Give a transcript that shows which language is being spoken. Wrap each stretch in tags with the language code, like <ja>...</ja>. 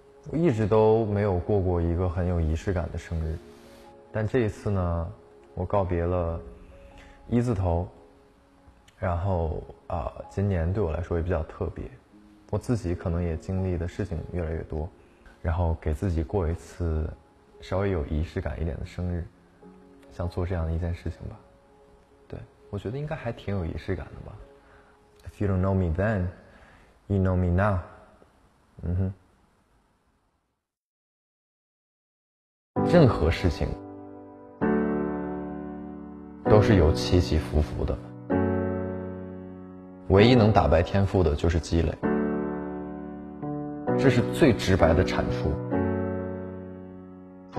<zh>我一直都没有过一个很有仪式感的生日，但这一次呢，我告别了一字头，然后今年对我来说也比较特别，我自己可能也经历的事情越来越多，然后给自己过一次稍微有仪式感一点的生日，像做这样的一件事情吧。对，我觉得应该还挺有仪式感的吧。</zh> <en>If you don't know me then, you know me now.</en> <zh>任何事情都是有起起伏伏的，唯一能打败天赋的就是积累，这是最直白的阐述。</zh>